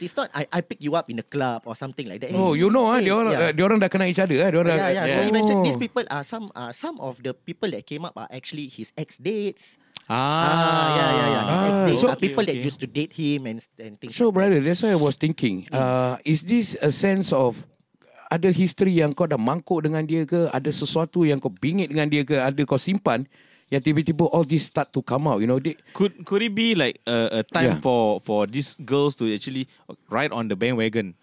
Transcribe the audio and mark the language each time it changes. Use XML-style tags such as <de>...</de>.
<en>It's not I pick you up in a club or something like that.</en> <ms>Diorang dah kenal</ms> <en>each other. So eventually these people are some of the people that came up are actually his ex dates. People that used to date him and things. So like brother, that. That's what I was thinking. Is this a sense of</en> <ms>ada history yang kau dah mangkuk dengan dia ke? Ada sesuatu yang kau bingit dengan dia ke? Ada kau simpan yang tiba-tiba</ms> <en>all this start to come out, you know? Could it be like a time for these girls to actually ride on the bandwagon?</en>